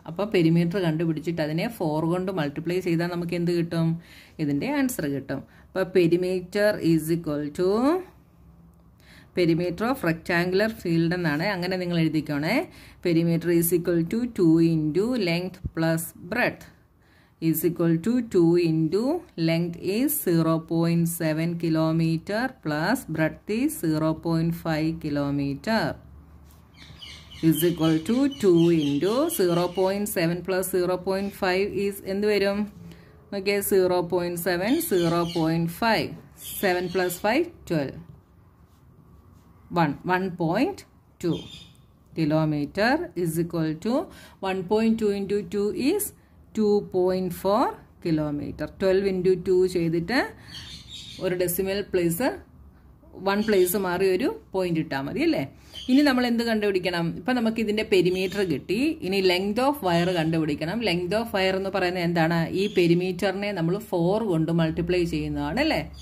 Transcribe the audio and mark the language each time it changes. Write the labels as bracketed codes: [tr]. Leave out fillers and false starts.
[ml] അപ്പോൾ പെരിമീറ്റർ കണ്ടുപിടിച്ചിട്ട് അതിനെ 4 കൊണ്ട് മൾട്ടിപ്ലൈ ചെയ്താൽ നമുക്ക് എന്ത് കിട്ടും? ഇതിൻ്റെ ആൻസർ കിട്ടും. [en] അപ്പോൾ perimeter is equal to perimeter of rectangular field [ml] എന്നാണ് അങ്ങനെ നിങ്ങൾ എഴുതിക്കോണേ. [en] Perimeter is equal to 2 × length + breadth. Is equal to 2 × length is 0.7 km + breadth is 0.5 km. Is equal to 2 × 0.7 + 0.5 is [ml] എന്ത് വരും? [en] Okay, 0.7, 0.5, 7 + 5 = 1.2 km. Is equal to 1.2 × 2 is 2.4 kilometer. [ml] 12 into 2 ചെയ്തിട്ട് ഒരു decimal place one place മാറി ഒരു point ഇട്ടാൽ മതി അല്ലേ. ഇനി നമ്മൾ എന്ത് കണ്ടുപിടിക്കണം? ഇപ്പൊ നമുക്ക് ഇതിന്റെ പെരിമീറ്റർ കിട്ടി, ഇനി ലെങ്ത് ഓഫ് വയർ കണ്ടുപിടിക്കണം. ലെങ്ത് ഓഫ് വയർ എന്ന് പറയുന്നത് എന്താണ്? ഈ പെരിമീറ്ററിനെ നമ്മൾ 4 കൊണ്ട് മൾട്ടിപ്ലൈ ചെയ്യുന്നതാണ് അല്ലേ.